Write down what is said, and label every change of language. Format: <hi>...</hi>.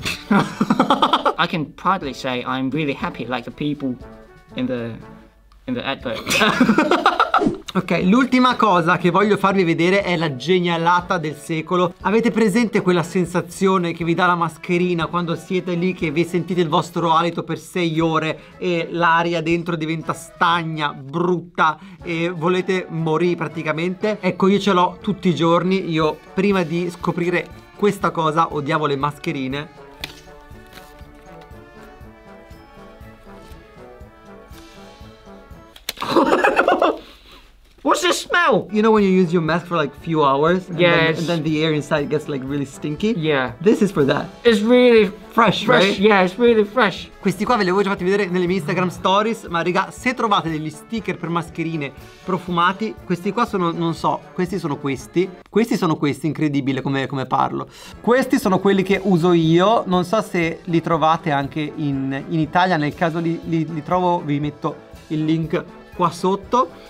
<en>I can proudly say I'm really happy like the people in the advert.</en> <it>Ok, l'ultima cosa che voglio farvi vedere è la genialata del secolo. Avete presente quella sensazione che vi dà la mascherina quando siete lì che vi sentite il vostro alito per 6 ore e l'aria dentro diventa stagna, brutta e volete morire praticamente? Ecco, io ce l'ho tutti i giorni. Io prima di scoprire questa cosa odiavo le mascherine.</it> <en>What's the smell? You know when you use your mask for like few hours? Yes. And then the air inside gets like really stinky? Yeah. This is for that. It's really fresh, fresh, right? Yeah, it's really fresh.</en> <it>Questi qua ve li avevo già fatti vedere nelle mie Instagram stories, ma raga, se trovate degli sticker per mascherine profumati, questi qua sono, non so, questi sono questi, incredibile come parlo. Questi sono quelli che uso io, non so se li trovate anche in Italia, nel caso li trovo vi metto il link qua sotto.</it>